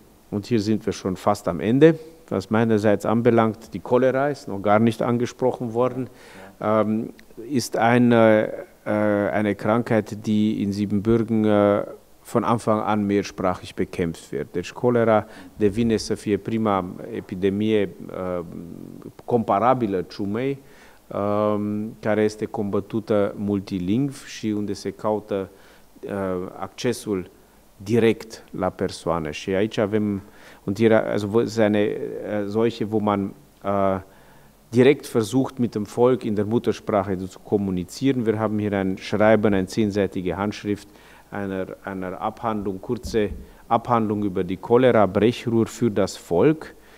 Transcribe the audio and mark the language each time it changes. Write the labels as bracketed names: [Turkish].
[German] Und hier sind wir schon fast am Ende. Was meinerseits anbelangt, die Cholera ist noch gar nicht angesprochen worden, ist eine Krankheit, die in Siebenbürgen von Anfang an mehrsprachig bekämpft wird. [Romanian] Deci Cholera devine să fie prima epidemie comparabilă ciumei, care este combătută multilingv și unde se caută accesul direct la persoane. Și aici avem [German] und hier also seine solche, wo man direkt versucht mit dem Volk in der Muttersprache zu kommunizieren. Wir haben hier ein Schreiben, eine zehnseitige Handschrift einer Abhandlung, kurze Abhandlung über die Cholera, Brechruhr für das Volk.